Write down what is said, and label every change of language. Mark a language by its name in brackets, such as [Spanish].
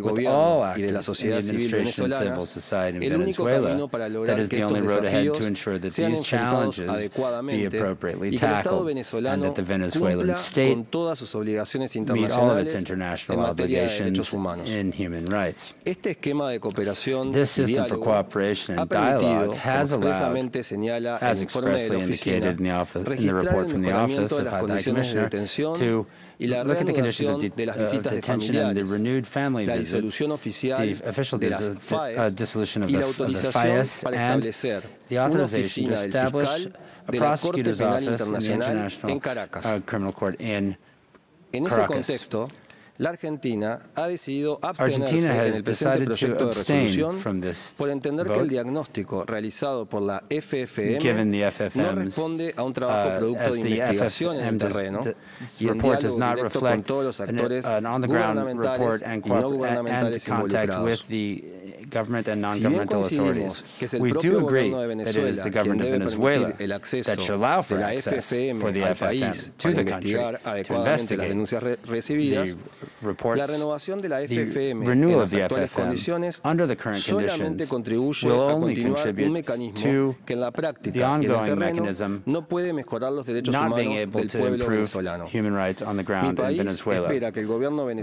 [English] with all actors in the administration and civil society in Venezuela that is the only road ahead to ensure that these challenges be appropriately tackled and that the Venezuelan [Spanish] con todas sus obligaciones internacionales en materia de derechos humanos. Este esquema de cooperación y diálogo ha permitido, expresamente señala el informe de la oficina, registrar el mejoramiento de las condiciones de detención y la reanudación de las visitas de familiares, la disolución oficial de las FAES y la autorización para establecer una oficina del fiscal de la Corte Penal Internacional en Caracas. [English] Criminal Court in [Spanish] en ese contexto, La Argentina ha decidido abstenerse en el presente proyecto de resolución por entender que el diagnóstico realizado por la FFM no responde a un trabajo producto de investigación en el terreno y en diálogo directo con todos los actores gubernamentales y no gubernamentales involucrados. [English] Government and non-governmental authorities. We do agree that it is the government of Venezuela that should allow for access for the FFM to the country to investigate the reports. The renewal of the FFM under the current conditions will only contribute to the ongoing mechanism not being able to improve human rights on the ground in Venezuela.